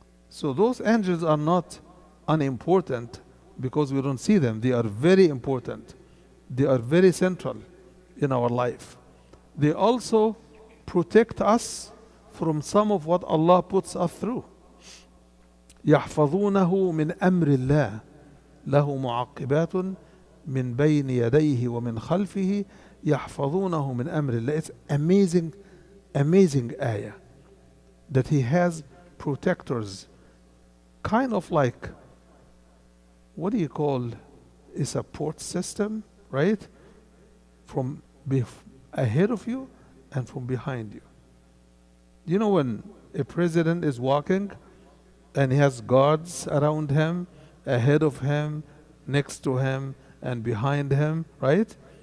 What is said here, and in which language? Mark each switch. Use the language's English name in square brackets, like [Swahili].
[English] So those angels are not unimportant because we don't see them. They are very important. They are very central in our life. They also protect us from some of what Allah puts us through. [Arabic] يَحْفَظُونَهُ مِنْ أَمْرِ اللَّهِ لَهُ مُعَقِّبَاتٌ مِنْ بَيْنِ يَدَيْهِ وَمِنْ خَلْفِهِ يَحْفَظُونَهُ مِنْ أَمْرِ اللَّهِ. [English] It's amazing, amazing ayah. that he has protectors, kind of like, what do you call, a support system, right? From ahead of you and from behind you. You know when a president is walking and he has guards around him, ahead of him, next to him, and behind him, right?